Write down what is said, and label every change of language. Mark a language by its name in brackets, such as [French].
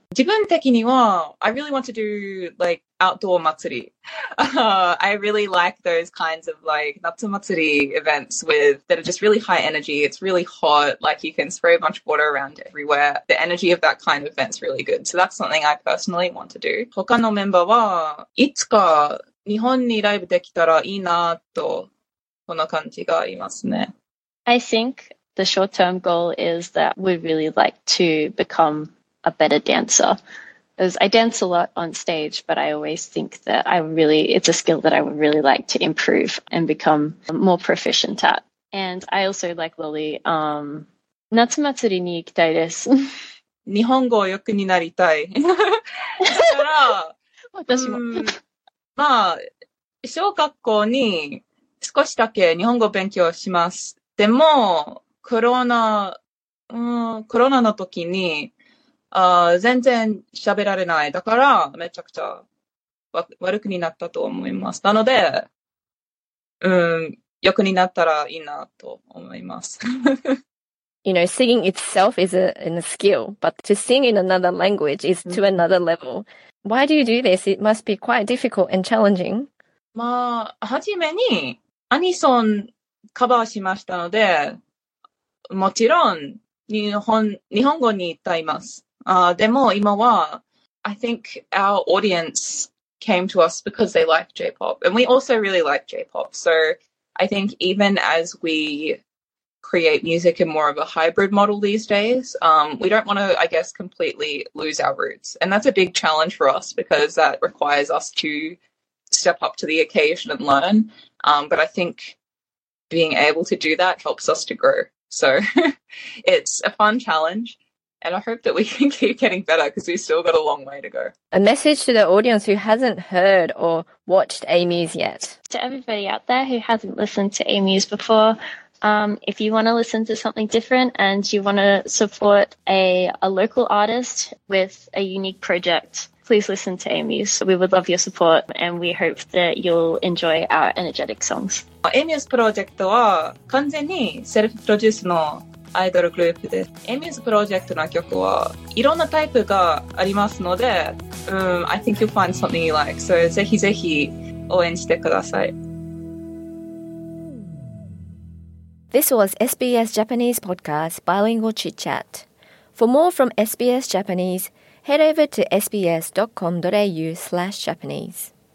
[Japanese] 自分的には, [English] I really want to do like outdoor matsuri. I really like those kinds of like natsu matsuri events with that are just really high energy. It's really hot. Like you can spray a bunch of water around everywhere. The energy of that kind of event's really good. So that's something I personally want to do. [Japanese] 他のメンバーはいつか日本にライブできたらいいなとこんな感じがありますね。 [English] I think the short-term goal is that we really like to become a better dancer. As I dance a lot on stage, but I always think that it's a skill that I would really like to improve and become more proficient at. And I also like Loli. [Japanese] 夏祭りに行きたいです。日本語を良くになりたい。だから、私も。まあ、小学校に少しだけ日本語勉強します。でも、コロナの時に全然喋られない。だから、めちゃくちゃ悪くになったと思います。なので、良くになったらいいなと思います。 [English] You know, singing itself is a skill, but to sing in another language is to another level. Why do you do this? It must be quite difficult and challenging. [Japanese] まあ、初めにアニソンカバーしましたので、もちろん日本語に歌います。でも今は [English] I think our audience came to us because they like J-pop and we also really like J-pop. So I think even as we create music in more of a hybrid model these days, we don't want to, I guess, completely lose our roots. And that's a big challenge for us because that requires us to step up to the occasion and learn. But I think being able to do that helps us to grow. So it's a fun challenge. And I hope that we can keep getting better because we've still got a long way to go. A message to the audience who hasn't heard or watched AMUSE yet. To everybody out there who hasn't listened to AMUSE before, if you want to listen to something different and you want to support a local artist with a unique project, please listen to Amuse. We would love your support and we hope that you'll enjoy our energetic songs. [Japanese] Amuse プロジェクトは完全にセルフプロデュースのアイドルグループです。 Amuse プロジェクトの曲はいろんなタイプがありますので、 [English] I think you'll find something you like. [Japanese] So ぜひぜひ応援してください。 [English] This was SBS Japanese Podcast Bilingual Chit Chat. For more from SBS Japanese, head over to sbs.com.au/Japanese.